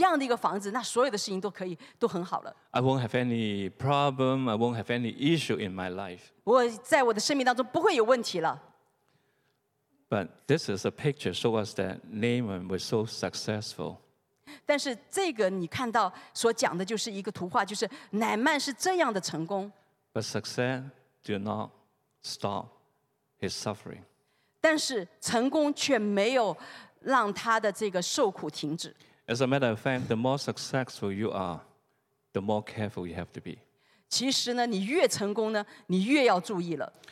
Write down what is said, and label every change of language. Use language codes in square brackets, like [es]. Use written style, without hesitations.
[zh] 他们就想到，哎，我如果我有这样的一个工作，这样的一个房子，那所有的事情都可以都很好了。 [en] I won't have any problem. I won't have any issue in my life. [zh] 我在我的生命当中不会有问题了。 [en] But this is a picture show us that Naaman was so successful. [zh] 但是这个你看到所讲的就是一个图画，就是乃曼是这样的成功。 [en] But success do not stop his suffering. [zh] 但是成功却没有让他的这个受苦停止。 [en] As a matter of fact, the more successful you are, the more careful you have to be. [zh] 其实呢，你越成功呢，你越要注意了。